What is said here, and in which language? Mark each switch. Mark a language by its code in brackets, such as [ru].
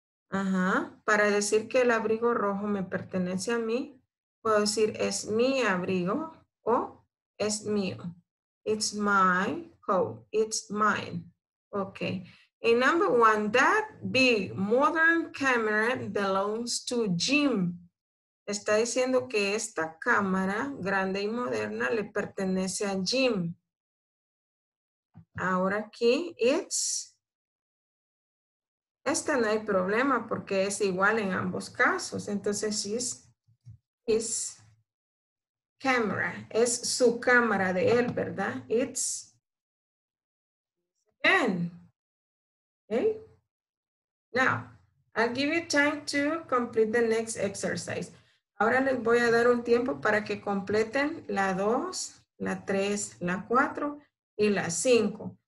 [es] Para decir que el abrigo rojo me pertenece a mí, puedo decir es mi abrigo o es mío. [en] It's my coat. It's mine. Okay. And number one, that big modern camera belongs to Jim. [es] Está diciendo que esta cámara grande y moderna le pertenece a Jim. Ahora aquí, it's. Esta no hay problema porque es igual en ambos casos. [en] Entonces, it's his camera. [es] Es su cámara de él, ¿verdad? [en] It's. Again. Okay. Now, I'll give you time to complete the next exercise. [es] Ahora les voy a dar un tiempo para que completen la 2, la 3, la 4 y la 5.